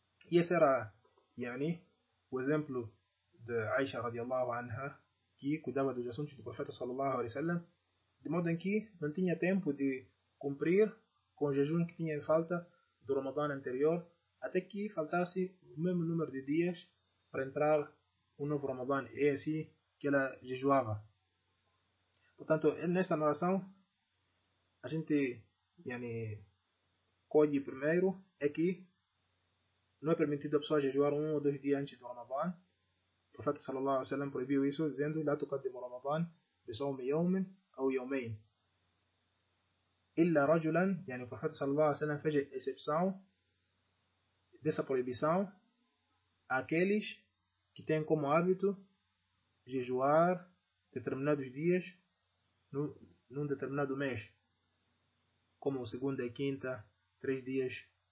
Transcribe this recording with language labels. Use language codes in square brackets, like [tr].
[pt] E esse era o exemplo de Aisha radiallahu anha, que cuidava dos assuntos do profeta sallallahu alaihi wasallam, de modo em que não tinha tempo de cumprir com o jejum que tinha em falta do Ramadan anterior, até que faltasse o mesmo número de dias para entrar o novo Ramadan, e assim que ela jejuava. Portanto, nesta narração, a gente colhe primeiro é que não é permitido a pessoa jejuar 1 ou 2 dias antes do Ramadan. O profeta sallallahu alaihi wasallam proibiu isso, dizendo: [ar] لا تقدم رمضان بصوم يوم أو يومين إلا رجلا. [pt] O profeta sallallahu alaihi wasallam fez exceção dessa proibição àqueles que têm como hábito jejuar determinados dias num determinado mês, como segunda e quinta, 3 dias.